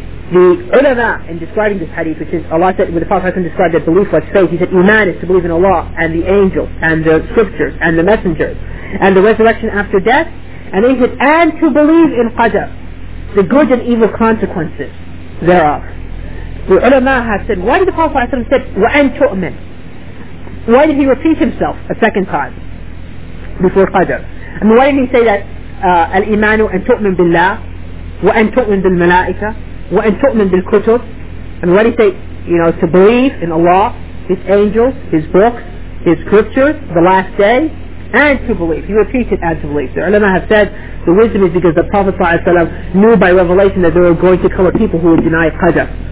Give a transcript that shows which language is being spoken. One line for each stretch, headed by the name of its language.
English: The ulama in describing this hadith, which is Allah said, when the Prophet described that belief was faith, he said Iman is to believe in Allah and the angels and the scriptures and the messengers and the resurrection after death, and then he said, and to believe in Qadr, the good and evil consequences thereof. The ulama has said, why did the Prophet said
Arabic: وَأَن تُؤْمِن,
English: why did he repeat himself a second time before Qadr? I mean, why didn't he say that
Arabic: الْإِمَانُ أَن تُؤْمِن بِاللَّهِ وَأَن تُؤْمِن بِالْمَلَائِكَ وَأَن تُؤْمِن بِالْكُتُبِ?
English: I mean, why did he say, you know, to believe in Allah, his angels, his books, his scriptures, the last day, and to believe? He repeated and to believe. The ulama have said the wisdom is because the Prophet ﷺ knew by revelation that there were going to come a people who would deny Qadr.